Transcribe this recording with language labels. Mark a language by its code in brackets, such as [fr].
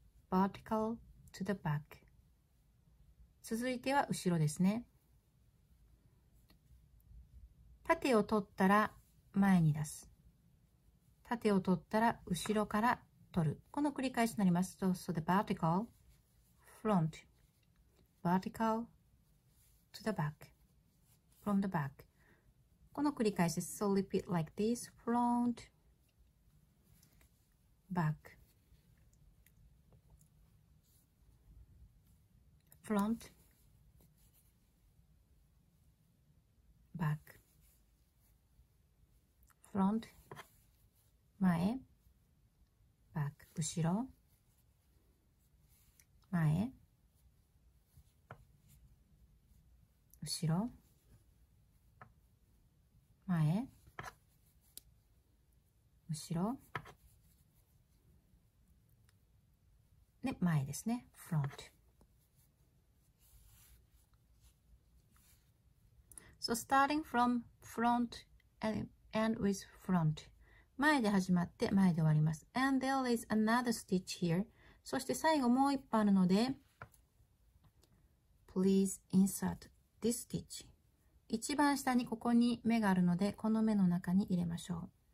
[en] Vertical to the back. [ja] 続いては後ろですね。縦を取ったら前に出す、縦を取ったら後ろから取る、この繰り返しになります。 [en] So the vertical front verticalTo the back, from the back. [ja] この繰り返しです。 [en] So repeat like this. Front, back. Front, back. Front, 前, back, 後ろ, 前. [ja] 後ろ、前、後ろ、で、前ですね。フロント。 [en] So starting from front and end with front. [ja] 前で始まって前で終わります。 [en] And there is another stitch here. [ja] そして最後もう一本あるので、 [en] Please insert. This stitch. [ja] 一番下にここに目があるのでこの目の中に入れましょう。